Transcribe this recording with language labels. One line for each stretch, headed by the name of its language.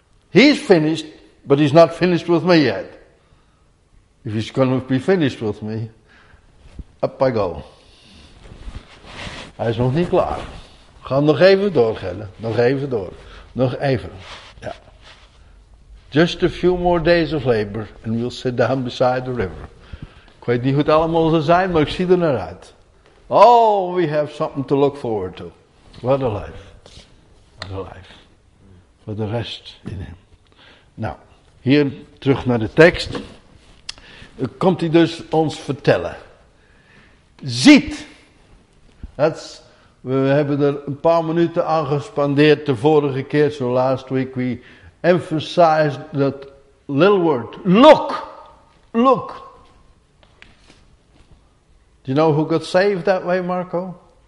English: He's finished, but he's not finished with me yet. If he's gonna be finished with me, up I go.
Dutch: Hij is nog niet klaar. Ga nog even door, Gelle. Nog even door. Nog even. Ja.
English: Just a few more days of labor and we'll sit down beside the river.
Dutch: Ik weet niet hoe het allemaal zal zijn, maar ik zie er naar uit.
English: Oh, we have something to look forward to. What a life. What a life. For the rest in him.
Dutch: Nou, hier terug naar de tekst. Komt hij dus ons vertellen. Ziet. We hebben er een paar minuten aan gespandeerd de vorige keer.
English: So last week we emphasized that little word. Look. Look. Do you know who got saved that way, Marco?